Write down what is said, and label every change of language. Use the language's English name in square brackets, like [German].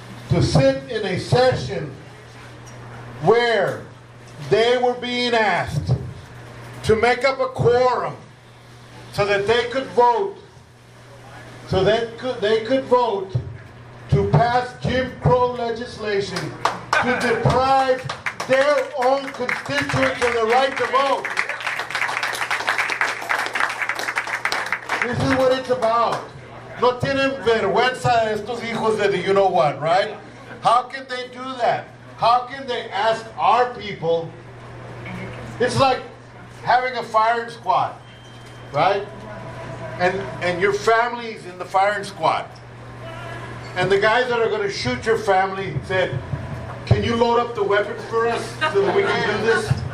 [English] To sit in a session where they were being asked to make up a quorum so that they could vote, so that they could vote to pass Jim Crow legislation to deprive their own constituents of the right to vote. This is what it's about. [Spanish] No tienen vergüenza de estos hijos de [English] the you-know-what, right? How can they do that? How can they ask our people? It's like having a firing squad, right? And your family's in the firing squad. And the guys that are going to shoot your family said, can you load up the weapons for us so that we can do this?